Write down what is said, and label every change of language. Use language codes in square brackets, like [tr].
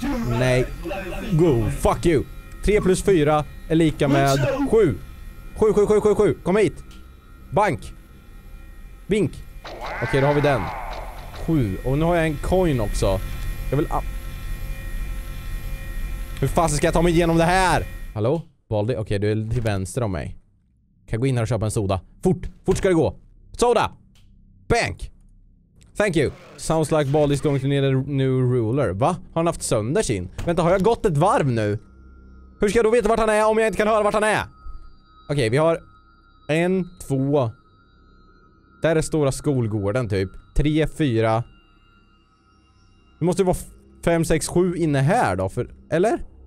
[sv] Nej. [en] Go, fuck you. [sv] 3 + 4 är lika med 7. 7. Kom hit. Bank. Bink. Okej, då har vi den. 7. Och nu har jag en coin också. Jag vill... Hur fan ska jag ta mig igenom det här? Hallå? Baldi? Okej, du är till vänster om mig. Kan jag gå in här och köpa en soda? Fort! Fort ska det gå! Soda! Bank! [en] Thank you! Sounds like Baldi's going to need a new ruler. [sv] Va? Har han haft sönder sin? Vänta, har jag gått ett varv nu? Hur ska jag då veta vart han är om jag inte kan höra vart han är? Okej, vi har... 1, 2... Där är stora skolgården typ. 3, 4... Det måste ju vara 5, 6, 7 inne här då, för... Eller?